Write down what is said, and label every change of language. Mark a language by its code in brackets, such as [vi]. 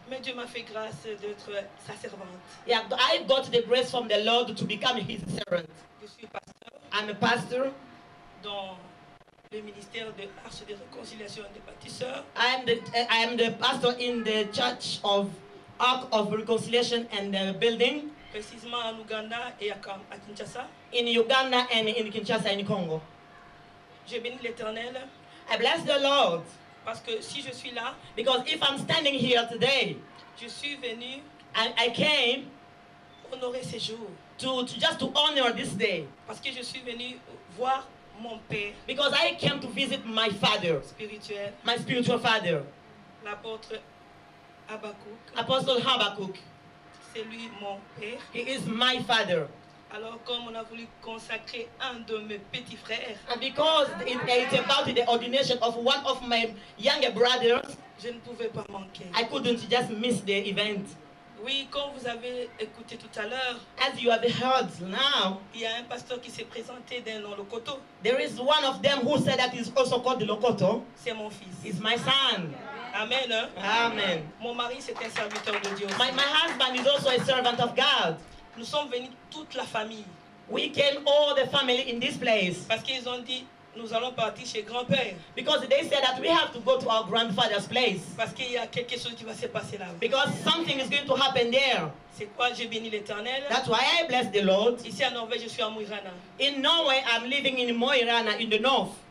[fr] Mais Dieu m'a fait grâce d'être sa servante. [en] Yeah, I got the grace from the Lord to become his servant. [fr] Je suis pasteur. [en] I'm a pastor. [fr] Dans le ministère de l'Arche de Réconciliation des Bâtisseurs. [en] I am the pastor in the church of Ark of Reconciliation and the Building. [fr] Précisément en Uganda et à Kinshasa. [en] In Uganda and in Kinshasa in Congo. [fr] Je bénis l'Éternel. [en] I bless the Lord. [fr] Parce que si je suis là, [en] because if I'm standing here today, [fr] je suis venu, [en] I came [fr] honorer ce jour, [en] to honor this day. [fr] Parce que je suis venu voir mon père. [en] Because I came to visit my father. [fr] Spirituel. [en] My spiritual father. [fr] L'apôtre Habakkuk. [en] Apostle Habakkuk. [fr] C'est lui mon père. [en] He is my father. [fr] Alors comme on a voulu consacrer un de mes petits frères. [en] And because it's about the ordination of one of my younger brothers. [fr] Je ne pouvais pas manquer. [en] I couldn't just miss the event. [fr] Oui, comme vous avez écouté tout à l'heure. [en] As you have heard now. [fr] Il y a un pasteur qui s'est présenté dans le Lokoto. [en] There is one of them who said that is also called the Lokoto. [fr] C'est mon fils. [en] It's my son. Amen. Amen. [fr] Mon mari c'est un serviteur de Dieu. [en] My husband is also a servant of God. [fr] Nous sommes venus toute la famille. [en] We came all the family in this place. [fr] Parce qu'ils ont dit, nous allons partir chez grand-père. [en] Because they said that we have to go to our grandfather's place. [fr] Parce qu'il y a quelque chose qui va se passer là. [en] Because something is going to happen there. [fr] C'est quoi, je bénis l'Éternel. [en] That's why I bless the Lord. [fr] Ici en Norvège, je suis à Mo i Rana. [en] In Norway, I'm living in Mo i Rana, in the north.